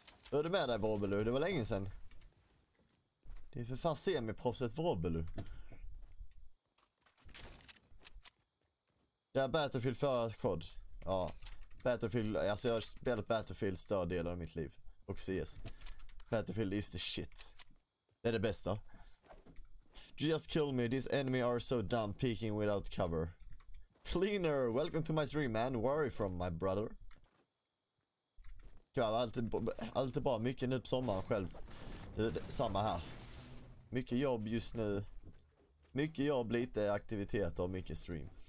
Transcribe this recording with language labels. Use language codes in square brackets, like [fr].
[sv] Hur är det med dig, Vorbelu? Det var länge sedan. Det är för fan semiproffset Vorbelu. Det är Battlefield för kod. Ja, Battlefield, alltså jag har spelat Battlefield större del av mitt liv. Och CS. [en] Battlefield is the shit. [sv] Det är det bästa. [en] Just kill me, these enemy are so dumb, peeking without cover. Cleaner, welcome to my stream, man. Where are you from, my brother? [sv] Ja, allt är bra. Mycket nu på sommaren själv. Samma här. Mycket jobb just nu. Mycket jobb, lite aktivitet och mycket stream.